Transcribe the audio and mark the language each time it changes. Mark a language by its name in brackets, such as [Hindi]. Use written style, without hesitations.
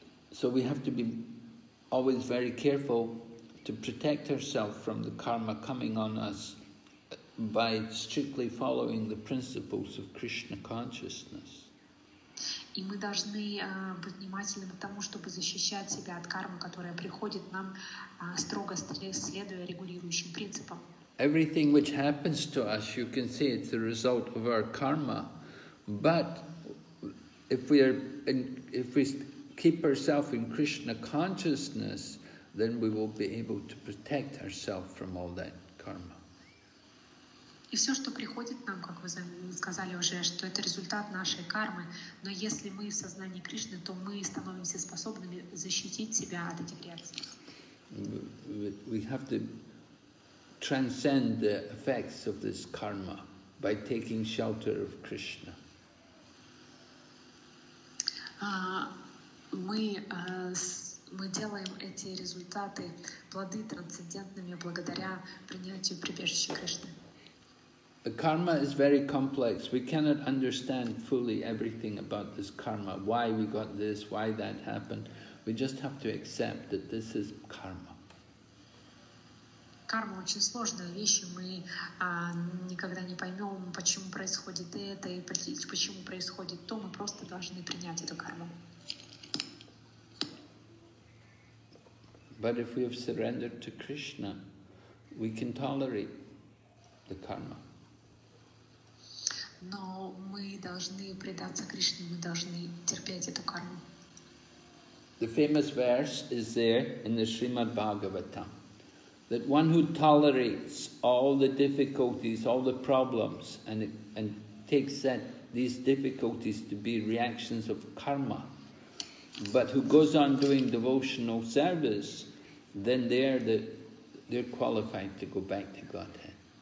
[English] So we have to be always very careful to protect ourselves from the karma coming on us by strictly following the principles of Krishna consciousness. [Russian] И мы должны быть внимательны к тому, чтобы защищать себя от кармы, которая приходит нам строго следуя регулирующим принципам. [English] Everything which happens to us, you can say it's the result of our karma, but if we keep ourselves in Krishna consciousness, then we will be able to protect ourselves from all that karma. [Russian] И все, что приходит нам, как вы сказали уже, что это результат нашей кармы, но если мы в сознании Кришны, то мы становимся способными защитить себя от этих реакций. [English] We have to transcend the effects of this karma by taking shelter of Krishna. [Russian] Мы делаем эти результаты, плоды трансцендентными благодаря принятию прибежища Кришны. [English] The karma is very complex. We cannot understand fully everything about this karma. Why we got this, why that happened. We just have to accept that this is karma. [Russian] Karma очень сложная вещь. Мы никогда не поймем, почему происходит это и почему происходит то. Мы просто должны принять эту карму. [English] But if we have surrendered to Krishna, we can tolerate the karma. [Russian] Но мы должны предаться Кришне, мы должны терпеть эту карму. [English] The famous verse is there in the Srimad Bhagavatam, that one who tolerates all the difficulties, all the problems, and takes that these difficulties to be reactions of karma, but who goes on doing devotional service, then they're qualified to go back to Godhead.